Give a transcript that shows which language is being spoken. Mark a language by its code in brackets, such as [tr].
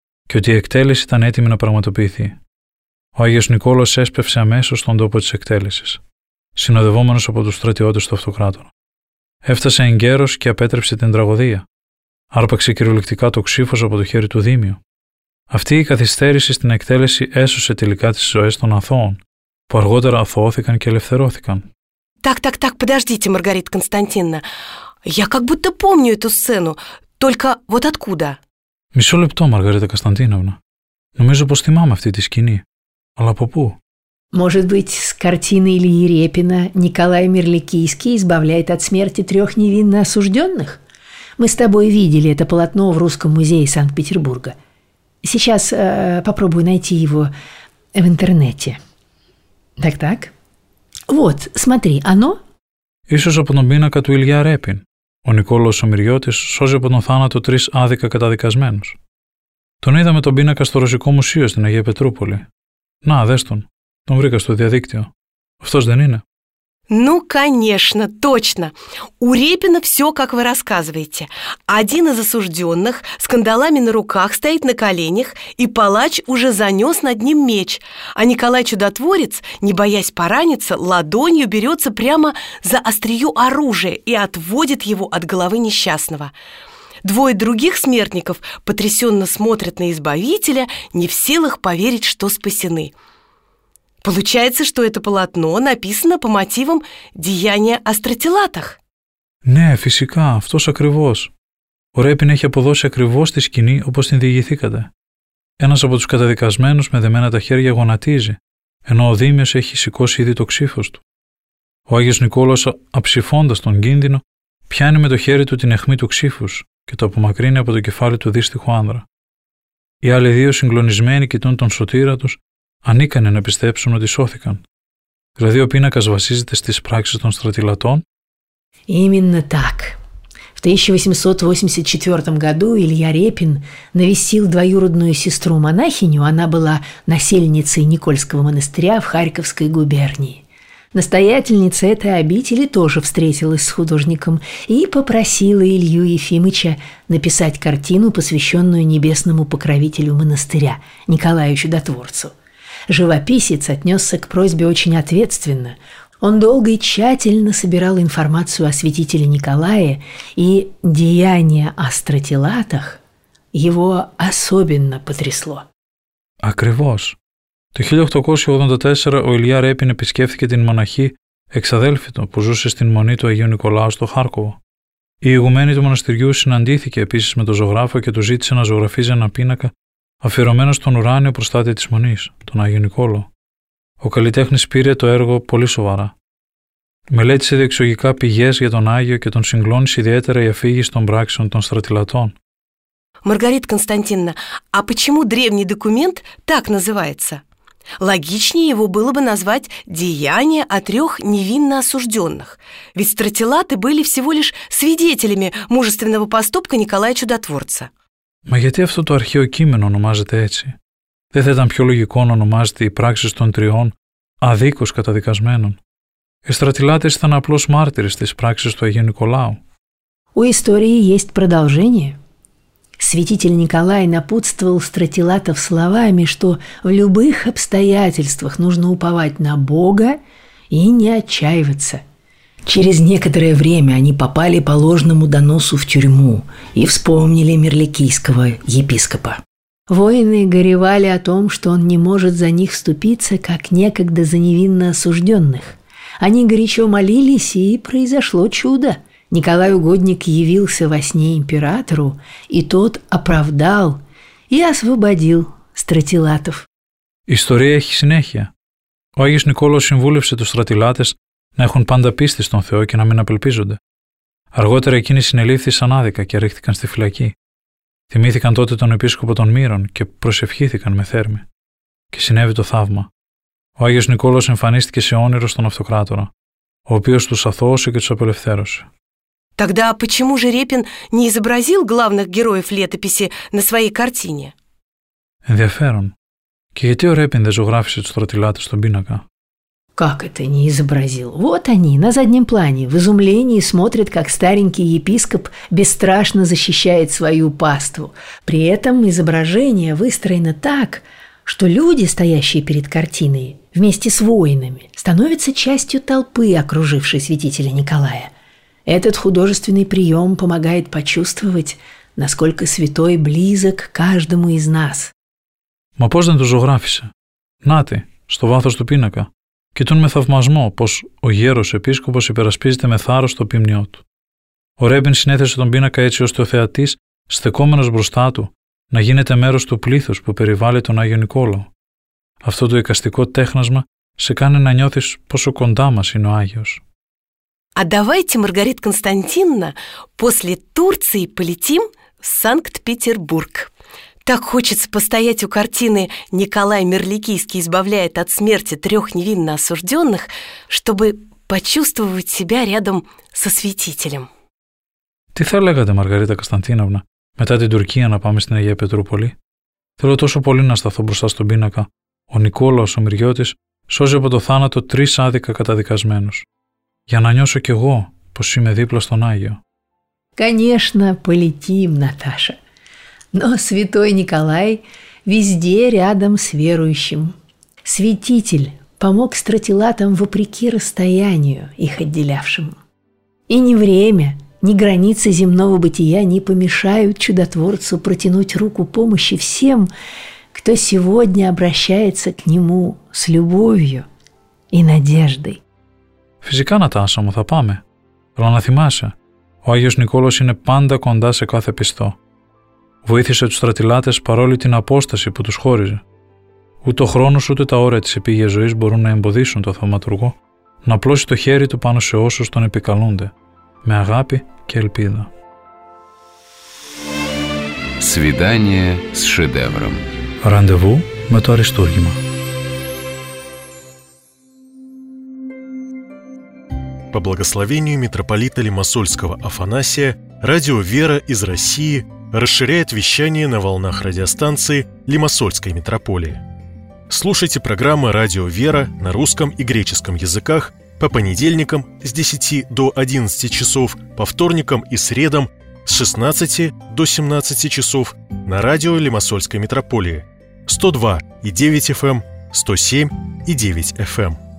[el] και ότι η εκτέλεση ήταν έτοιμη να πραγματοποιηθεί. Ο Άγιος Νικόλαος έσπευσε αμέσως στον τόπο της εκτέλεσης, συνοδευόμενος από τους στρατιώτες του αυτοκράτορα. Έφτασε εν καιρός και απέτρεψε την τραγωδία. Άρπαξε κυριολεκτικά το ξύφος από το χέρι του Δήμιου. Αυτή η καθυστέρηση στην εκτέλεση έσωσε τελικά τις ζωές των αθώων, που αργότερα αθωώθηκαν και ελευθερώθηκαν. [ru] Так, подождите, Маргарита Константиновна. Я как будто помню эту сцену, только вот откуда? [el] Мисо лепто, Маргарита Константиновна. Νομίζω πως θυμάμαι αυτή τη σκηνή. Αλλά από πού? [ru] Может быть, с картины Ильи Репина Николай Мерликийский избавляет от смерти трех невинно осужденных? Мы с тобой видели это полотно в Русском музее Санкт-Петербурга. Сейчас попробую найти его в интернете. Так-так. Вот, смотри, оно? [el] Ίσως από τον πίνακα του Ηλιά Ρέπιν. Ο Νικόλαος ο Μυριώτης σώζει από τον θάνατο τρεις άδικα καταδικασμένους. Τον είδαμε τον πίνακα στο Ρωσικό Μουσείο στην Αγία Πετρούπολη. Να, δες τον. Τον βρήκα στο διαδίκτυο. Αυτός δεν είναι? [ru] Ну, конечно, точно. У Репина все, как вы рассказываете. Один из осужденных с кандалами на руках стоит на коленях, и палач уже занес над ним меч. А Николай Чудотворец, не боясь пораниться, ладонью берется прямо за острие оружия и отводит его от головы несчастного. Двое других смертников потрясенно смотрят на избавителя, не в силах поверить, что спасены. Получается, что это полотно написано по мотивам деяния о стратилатах. [el] Ναι, φυσικά, αυτός ακριβώς. Ο Ρέπιν έχει αποδώσει ακριβώς τη σκηνή όπως την διηγηθήκατε. Ένας από τους καταδικασμένους με δεμένα τα χέρια γονατίζει, ενώ ο Δήμιος έχει σηκώσει ήδη το ξύφος του. Ο Άγιος Νικόλαος, αψηφώντας τον κίνδυνο, πιάνει με το χέρι του την αιχμή του ξύφους και το απομακρύνει από το κεφάλι του δύστυχου άνδρα. Οι άλλοι δύο συγκλονισμένοι κοιτούν τον σωτήρα τους. Ανίκανε να πιστέψουν ότι σώθηκαν. Δηλαδή ο πίνακας βασίζεται στις πράξεις των στρατηλατών. [ru] Именно так. В 1884 году Илья Репин навестил двоюродную сестру монахиню. Она была насельницей Никольского монастыря в Харьковской губернии. Настоятельница этой обители тоже встретилась с художником и попросила Илью Ефимыча написать картину, посвященную небесному покровителю монастыря Николаю Чудотворцу. Живописец отнесся к просьбе очень ответственно. Он долго и тщательно собирал информацию о святителе Николае и деяния о стратилатах. Его особенно потрясло. [el] Ακριβώς. Το 1884 ο Ηλία Ρέπιν επισκέφθηκε την μοναχή εξαδέλφητο που ζούσε στην μονή του Αγίου Νικολάου στο Χάρκοβο. Η ηγουμένη του μοναστηριού συναντήθηκε επίσης με τον ζωγράφο και του ζήτησε να ζωγραφίζει ένα πίνακα αφιερωμένο στον ουράνιο προστάτη της Μονής, τον Άγιο Νικόλαο. Ο καλλιτέχνης πήρε το έργο πολύ σοβαρά. Μελέτησε διεξογικά πηγές για τον Άγιο και τον συγκλώνησε ιδιαίτερα η αφήγηση των πράξεων των στρατηλατών. [ru] Маргарита Константиновна, а почему древний документ так называется? Логичнее его было бы назвать «Деяния о трех невинно осужденных». Ведь стратилаты были всего лишь свидетелями мужественного поступка Николая Чудотворца. [el] Μα γιατί αυτό το αρχαίο κείμενο ονομάζεται έτσι? Δεν θα ήταν πιο λογικό να ονομάζεται «Οι πράξεις των τριών αδίκως καταδικασμένων»? Οι στρατηλάτες ήταν απλώς μάρτυρες στις πράξεις του Αγίου Νικολάου. [ru] У истории есть продолжение. Святитель Николай напутствовал стратилатов словами, что в любых обстоятельствах нужно уповать на Бога и не отчаиваться. Через некоторое время они попали по ложному доносу в тюрьму и вспомнили мерликийского епископа. Воины горевали о том, что он не может за них вступиться, как некогда за невинно осужденных. Они горячо молились, и произошло чудо. Николай Угодник явился во сне императору, и тот оправдал и освободил стратилатов. История [el] έχει συνέχεια. Ο Άγιος Νικόλαος συμβούλευσε τους στρατηλάτες να έχουν πάντα πίστη στον Θεό και να μην απελπίζονται. Αργότερα εκείνοι συνελήφθησαν άδικα και ρίχθηκαν στη φυλακή. Θυμήθηκαν τότε τον επίσκοπο των Μύρων και προσευχήθηκαν με θέρμη. Και συνέβη το θαύμα. Ο Άγιος Νικόλαος εμφανίστηκε σε όνειρο στον αυτοκράτορα, ο οποίος τους αθώωσε και τους απελευθέρωσε. [ru] Тогда почему же Репин не изобразил главных героев летописи на своей картине? [el] Ενδιαφέρον. Και γιατί ο Ρέπιν δεν ζωγράφισε τους στρατηλάτες στον πίνακα? [ru] Как это не изобразил? Вот они, на заднем плане, в изумлении смотрят, как старенький епископ бесстрашно защищает свою паству. При этом изображение выстроено так, что люди, стоящие перед картиной, вместе с воинами, становятся частью толпы, окружившей святителя Николая. Этот художественный прием помогает почувствовать, насколько святой близок каждому из нас. [el] Μα πώς δεν το ζωγράφισε. Νάτι, στο βάθος του πίνακα. Κοιτούν με θαυμασμό πως ο γέρος επίσκοπος υπερασπίζεται με θάρρος το ποιμνιό του. Ο Ρέμπιν συνέθεσε τον πίνακα έτσι ώστε ο θεατής, στεκόμενος μπροστά του, να γίνεται μέρος του πλήθους που περιβάλλει τον Άγιο Νικόλαο. Αυτό το εικαστικό τέχνασμα σε κάνει να νιώθεις πόσο κοντά μας είναι ο Άγιος. [ru] А давайте, Маргарита Константиновна, после Турции полетим в Санкт-Петербург. Так хочется постоять у картины «Николай Мерликийский избавляет от смерти трех невинно осужденных», чтобы почувствовать себя рядом со святителем. [el] Τι θα λέγατε, Маргарита Константиновна, μετά την Τουρκία να πάμε στην Αγία Πετρούπολη? Θέλω τόσο πολύ να σταθώ μπροστά στον πίνακα. Ο Νικόλαος ο Μυριώτης σώζει από το θάνατο τρεις άδικα καταδικασμένους. Για να νιώσω κι εγώ πως είμαι δίπλα στον Άγιο. [ru] Конечно, полетим, Наташа. Но святой Николай везде рядом с верующим. Святитель помог стратилатам вопреки расстоянию, их отделявшему. И ни время, ни границы земного бытия не помешают чудотворцу протянуть руку помощи всем, кто сегодня обращается к нему с любовью и надеждой. [el] Φυσικά, Νατάσα μου, θα πάμε. Αλλά να θυμάσαι, ο Άγιος Νικόλαος είναι πάντα κοντά σε κάθε πιστό. Βοήθησε τους στρατιλάτες παρόλη την απόσταση που τους χώριζε. Ούτε ο χρόνος ούτε τα όρια της επίγειας ζωής μπορούν να εμποδίσουν τον θαυματουργό να πλώσει το χέρι του πάνω σε όσους τον επικαλούνται, με αγάπη και ελπίδα. [ru] Σβιδάνιε σ σεδεύρομ. [el] Ραντεβού με το Αριστούργημα. [ru] По благословению митрополита Лимассольского Афанасия, радио «Вера» из России расширяет вещание на волнах радиостанции Лимассольской митрополии. Слушайте программы «Радио «Вера» на русском и греческом языках по понедельникам с 10 до 11 часов, по вторникам и средам с 16 до 17 часов на радио Лимассольской митрополии 102.9 FM, 107.9 FM.